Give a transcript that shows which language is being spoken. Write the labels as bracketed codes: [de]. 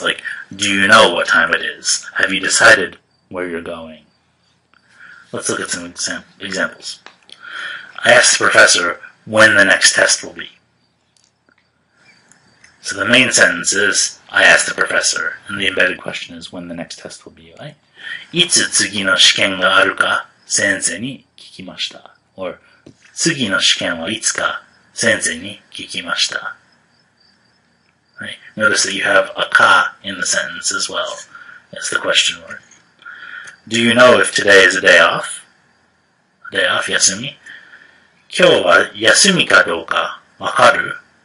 [en] Like, do you know what time it is? Have you decided where you're going? Let's look at some examples. I asked the professor when the next test will be. So the main sentence is, I asked the professor, and the embedded question is when the next test will be, right? [ja] いつ次の試験があるか先生に聞きました。 Or, 次の試験はいつか先生に聞きました。 [en] Right? Notice that you have a か in the sentence as well as the question word. Do you know if today is a day off? A day off, 休み。 [ja] 今日は休みかどうかわかる?